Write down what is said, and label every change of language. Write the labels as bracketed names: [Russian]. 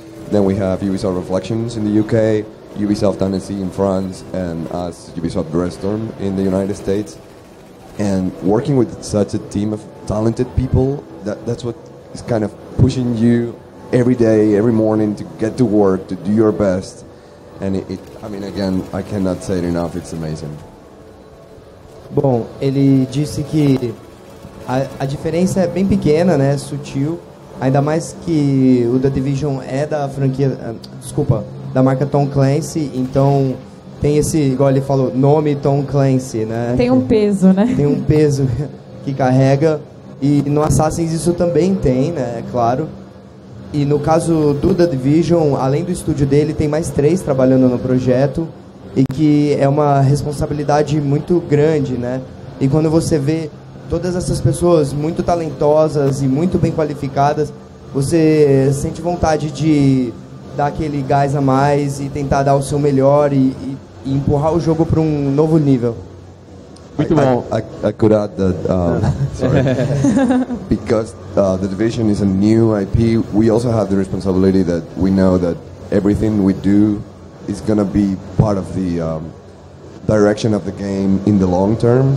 [English] Then we have Ubisoft Reflections in the UK, Ubisoft Tennessee in France, and us, Ubisoft Brainstorm in the United States. And working with such a team of talented people, that's what is kind of pushing you every day, every morning to get to work, to do your best. And again, I cannot say it enough, it's amazing. [Portuguese] Bom, ele disse que a diferença é bem pequena, né, sutil, ainda mais que o The Division é da franquia, desculpa, da marca Tom Clancy, então tem esse, igual ele falou, nome Tom Clancy, né? Tem um peso, né? Tem um peso que carrega, e no Assassin's isso também tem, né, é claro. E no caso do The Division, além do estúdio dele, tem mais três trabalhando no projeto, e que é uma responsabilidade muito grande, né? E quando você vê todas essas pessoas muito talentosas e muito bem qualificadas, você sente vontade de dar aquele gás a mais e tentar dar o seu melhor e empurrar o jogo para um novo nível. Muito bom. [English] I could add that, because The Division is a new IP, we also have the responsibility that we know that everything we do is gonna be part of the direction of the game in the long term.